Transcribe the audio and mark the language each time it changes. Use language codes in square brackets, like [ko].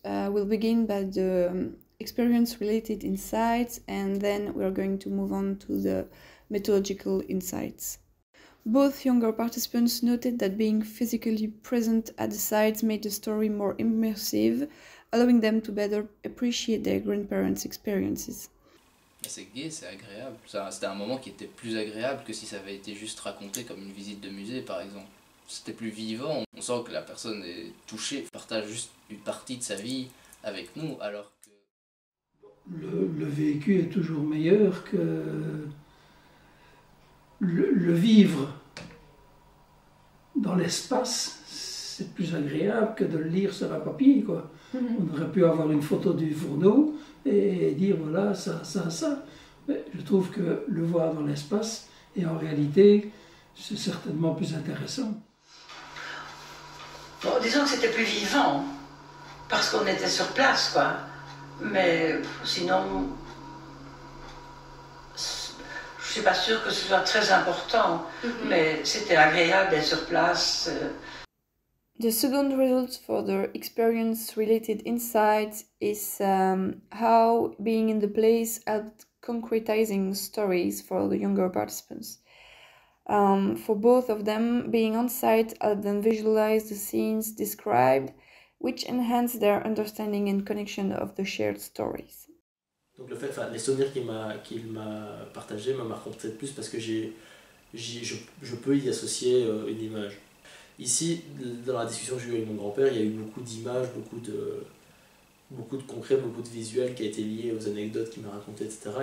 [en] We'll begin by the experience-related insights, and then we are going to move on to the methodological insights. Both younger participants noted that being physically present at the sites made the story more immersive, allowing them to better appreciate their grandparents' experiences. [fr] C'est gay, c'est agréable. C'était un moment qui était plus agréable que si ça avait été juste raconté comme une visite de musée, par exemple. C'était plus vivant. On sent que la personne est touchée, partage juste une partie de sa vie avec nous, alors que... Le vécu est toujours meilleur que... Le vivre dans l'espace, c'est plus agréable que de le lire sur un papier, quoi. Mm-hmm. On aurait pu avoir une photo du fourneau et dire voilà, ça, ça, ça. Mais je trouve que le voir dans l'espace et en réalité, c'est certainement plus intéressant. Bon, disons que c'était plus vivant, parce qu'on était sur place, quoi. Mais sinon, je ne suis pas sûre que ce soit très important, mm-hmm. mais c'était agréable d'être sur place. [en] The second result for the experience-related insights is how being in the place helped concretizing stories for the younger participants. For both of them, being on site helped them visualize the scenes described, which enhanced their understanding and connection of the shared stories. [fr] Donc le fait, les souvenirs qu'il m'a partagé m'a marqué peut-être plus parce que je peux y associer une image. Ici, dans la discussion que j'ai eue avec mon grand-père, il y a eu beaucoup d'images, beaucoup de concret, beaucoup de visuels qui a été lié aux anecdotes qu'il m'a racontées, etc.